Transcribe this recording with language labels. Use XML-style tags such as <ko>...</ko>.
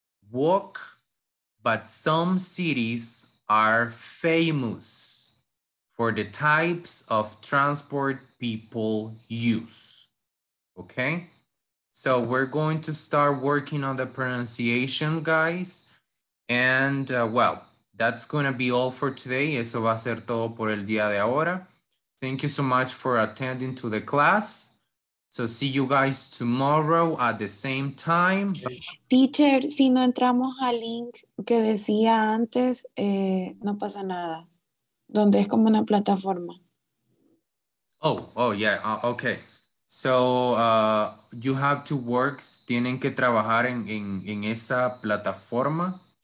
<en>Walk, but some cities are famous for the types of transport people use. Okay, so we're going to start working on the pronunciation, guys. And well, that's gonna be all for today.</en> <es>Eso va a ser todo por el día de ahora.</es> <en>Thank you so much for attending to the class. So see you guys tomorrow at the same time.</en> <es>Teacher, si no entramos al link que decía antes, no pasa nada. Donde es como una plataforma.</es> <en>Oh, yeah, okay. So you have to work, tienen que trabajar en esa plataforma.</en>